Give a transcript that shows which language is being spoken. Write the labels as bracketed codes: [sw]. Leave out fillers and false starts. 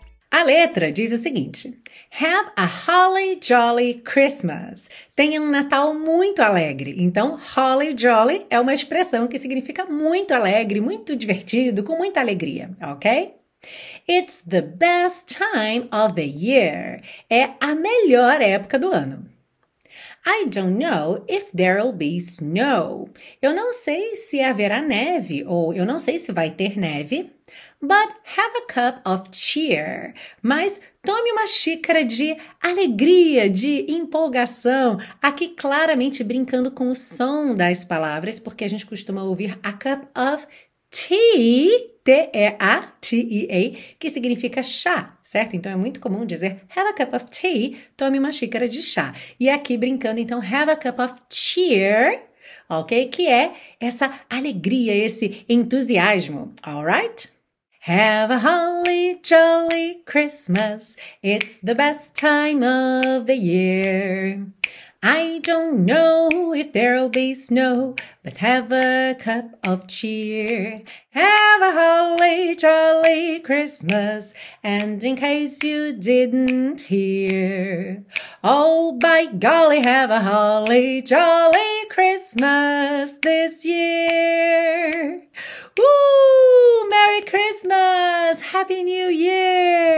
[pt] A letra diz o seguinte: [en] Have a holly jolly Christmas. [pt] Tenha um Natal muito alegre. Então, holly jolly é uma expressão que significa muito alegre, muito divertido, com muita alegria, ok? [en] It's the best time of the year. [pt] É a melhor época do ano. [en] I don't know if there'll be snow. [pt] Eu não sei se haverá neve ou eu não sei se vai ter neve. [en] But have a cup of cheer. [pt] Mas tome uma xícara de alegria, de empolgação. Aqui claramente brincando com o som das palavras, porque a gente costuma ouvir [en] a cup of tea. [pt] T-E-A-T-E-A, que significa chá, certo? Então, é muito comum dizer [en] have a cup of tea, [pt] tome uma xícara de chá. E aqui, brincando, então, [en] have a cup of cheer, [pt] ok? Que é essa alegria, esse entusiasmo, [en] all right? Have a holly jolly Christmas, it's the best time of the year. I don't know if there'll be snow, but have a cup of cheer. Have a holly jolly Christmas, and in case you didn't hear, oh, by golly, have a holly jolly Christmas this year. Woo! Merry Christmas! Happy New Year!